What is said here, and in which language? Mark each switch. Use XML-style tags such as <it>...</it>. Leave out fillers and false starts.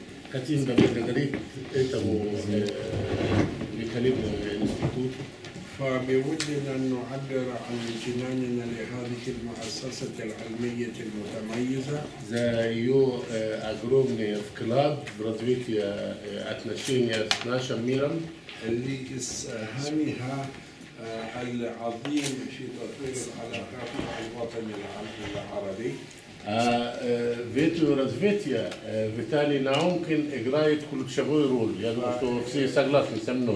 <ru>Хотим поблагодарить этому великолепному институту.</ru> <ar>فبودنا أن نعبر عن امتناننا لهذه المؤسسة العلمية المتميزة.</ar> <ru>За ее огромный вклад в развитие отношений с нашим миром.</ru> <ar>اللي إسهامها العظيم في تطوير العلاقات مع الوطن العربي.</ar> <ru>А в этом развитии Виталий Наумкин играет ключевую роль. Я думаю, что все согласны со</ru>